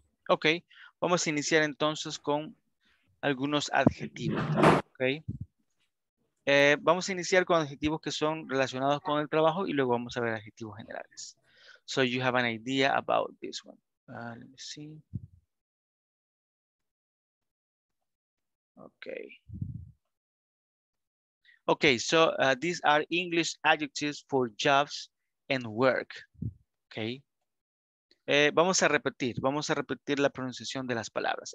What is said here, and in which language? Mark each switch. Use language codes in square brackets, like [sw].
[es] Ok, vamos a iniciar entonces con algunos adjetivos, okay. Vamos a iniciar con adjetivos que son relacionados con el trabajo y luego vamos a ver adjetivos generales. [en] so you have an idea about this one. Let me see. Okay. Okay, so these are English adjectives for jobs and work. [es] Okay. Vamos a repetir. Vamos a repetir la pronunciación de las palabras.